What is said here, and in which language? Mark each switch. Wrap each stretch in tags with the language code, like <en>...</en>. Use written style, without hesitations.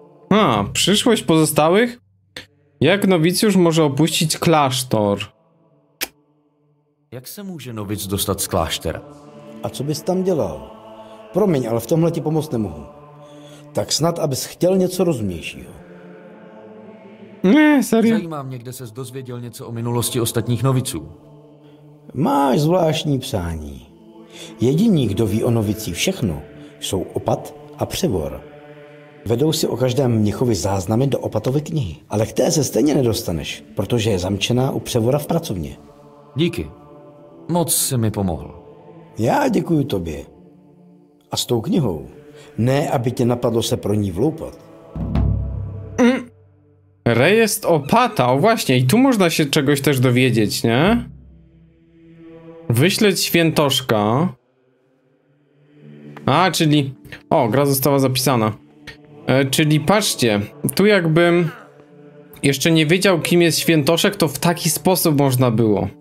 <pl>A, przyszłość pozostałych? Jak nowicjusz może opuścić klasztor?</pl> <cs>Jak se může novic dostat z kláštera? A co bys tam dělal? Promiň, ale v tomhle ti pomoct nemohu. Tak snad, abys chtěl něco rozumnějšího. Ne, serio? Zajímá mě, kde ses dozvěděl něco o minulosti ostatních noviců. Máš zvláštní přání. Jediní, kdo ví o novicích všechno, jsou opat a převor. Vedou si o každém mnichovi záznamy do opatovy knihy. Ale k té se stejně nedostaneš, protože je zamčená u převora v pracovně. Díky. Moc jsi mi pomohl. Já děkuji tobě. A s tou knihou. Ne, aby tě napadlo se pro ní vloupat.</cs> <pl>Rejest opata, o właśnie, i tu można się czegoś też dowiedzieć, nie? Wyśleć świętoszka. A, czyli... O, gra została zapisana. Czyli patrzcie, tu jakbym jeszcze nie wiedział, kim jest świętoszek, to w taki sposób można było.</pl>